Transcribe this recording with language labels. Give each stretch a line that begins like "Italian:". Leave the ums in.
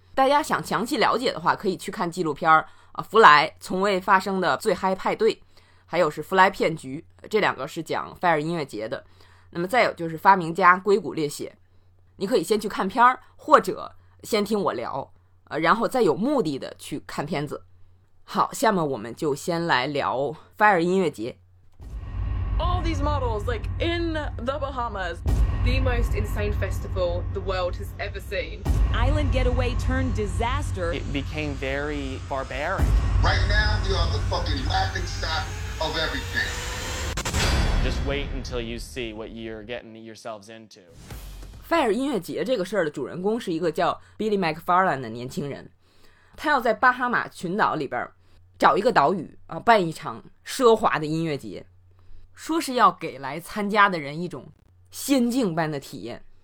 Chinese: 大家想详细了解的话，可以去看纪录片儿啊，福来《弗莱从未发生的最嗨派对》，还有是《弗莱骗局》，这两个是讲 Fire 音乐节的。那么再有就是发明家硅谷猎血，你可以先去看片儿，或者先听我聊，呃、啊，然后再有目的的去看片子。好，下面我们就先来聊 Fire 音乐节。
English: all these models like in the Bahamas. The most insane festival the world has ever seen. Island getaway turned disaster. It became very barbaric. Right now, we are on the fucking laughing stock of everything. Just wait until you see what you're getting yourselves into.
Chinese: 菲尔音乐节这个事儿的主人公是一个叫 Billy McFarland 的年轻人，他要在巴哈马群岛里边找一个岛屿啊办一场奢华的音乐节。说是要给来参加的人一种仙境般的体验。